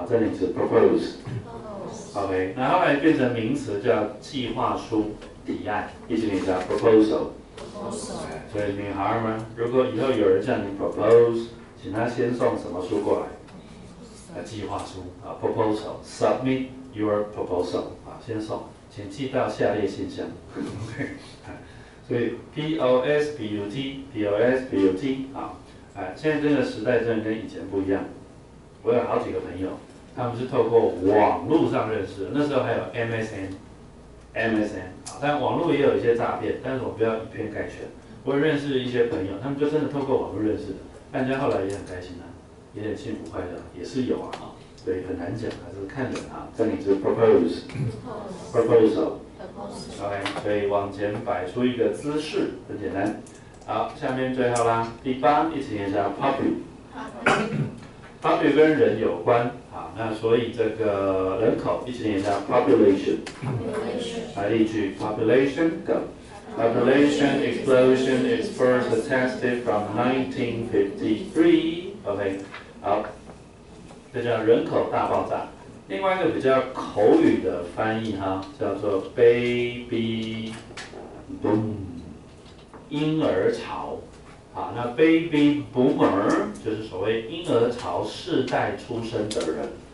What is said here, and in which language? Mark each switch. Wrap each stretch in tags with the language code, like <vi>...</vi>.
<zh>啊，这里是 propose。OK， 那后来变成名词叫计划书、提案，一起念一下 proposal。所以女孩们，如果以后有人叫你 propose， 请他先送什么书过来？啊，计划书啊 ，proposal。</zh> <en>Submit your proposal 啊，</en> <zh>先送。请寄到下列信箱。所以 POSBUT 啊，哎，现在这个时代真的跟以前不一样。我有好几个朋友，他们是透过网络上认识的，那时候还有 MSN， 啊，但网络也有一些诈骗，但是我不要以偏概全。我认识一些朋友，他们就真的透过网络认识的，但家后来也很开心啊，也很幸福快乐，也是有啊。对，很难讲，还是看人啊。这里是 proposal，OK、okay, 所以往前摆出一个姿势，很简单。好，下面最后啦，第八，一起念一下 puppy。 puppy 跟人有关，好，那所以这个人口一起念一下 population。来例句 ，</zh> <en>population go。 Population explosion is first attested from 1953.</en> <zh>OK， 好，这叫人口大爆炸。另外一个比较口语的翻译哈，叫做 baby boom， 婴儿潮。好，那 baby boomer 就是所谓婴儿潮世代出生的人。</zh>